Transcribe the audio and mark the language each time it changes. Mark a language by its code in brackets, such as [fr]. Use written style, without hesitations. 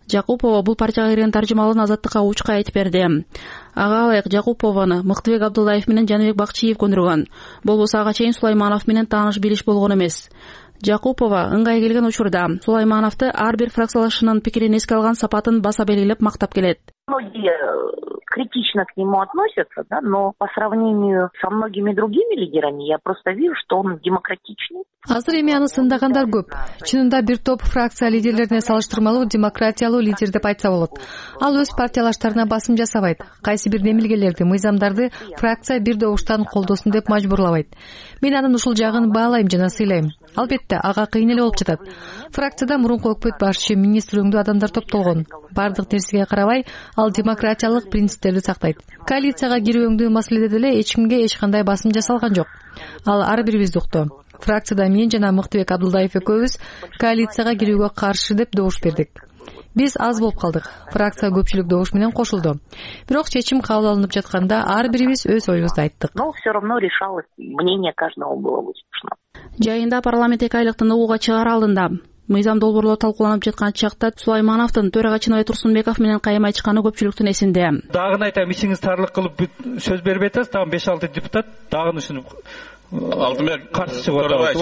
[ky] Жакупова бул партияга кирген таржымалын азаттыкка учка айтып берди. Ага ылайык Жакупованы Мыктыбек Абдуллаев менен Жанбек Бакчиев көндүргөн. Болбосо ага чейин Сулайманов менен тааныш билиш болгон эмес. Жакупова ыңгай келген учурда Сулаймановду ар бир фракциялашынын пикирин эске алган сапатын баса белгилеп мактап келет. [ru] Многие критично к нему относятся, да, но по сравнению со многими другими лидерами, я просто вижу, что он демократичный. [ky] Азыр эми аны сындагандар көп. Чынында бир топ фракция лидерлерине салыштырмалуу демократиялуу лидер деп айтса болот. Ал өз партияларына басым жасабайт. Кайсы бир демилгелерди, мыйзамдарды фракция бир добуштан колдосун деп мажбурлабайт. Мен анын ушул жагын баалайм жана сыйлайм. Албетте, ага кыйын эле болуп жатат. Фракцияда мурунку өкмөт башчы, министр өңдүү адамдар топтолгон. Бардык нерсеге карабай, ал демократиялык принциптерди сактайт. Коалицияга кирүү өңдүү маселеде деле эч кимге эч кандай басым жасалган жок. Ал ар бирибизди укту. Фракцияда мен жана Мыктыбек Абдулдаев экөөбүз коалицияга кирүүгө каршы деп добуш бердик. Биз аз болуп калдык. Фракция көпчүлүк добуш менен кошулду. Бирок чечим кабыл алынып жатканда ар бирибиз өз оюбузду айттык. [ru] Но все равно решалось мнение каждого было выслушано. [ky] Жайында парламент эки айлыкты ноого чыгара алдында мыйзам долбоорлор талкууланып жаткан чакта Сулаймановдун төрага Чыныбай Турсунбеков менен кайым айтышканы көпчүлүктүн эсинде. Дагын айтайм, ичиңиз тарлык кылып сөз бербей атасыз, дагы 5-6 депутат дагы ушунуп алдымен каршы чыгып атабыз.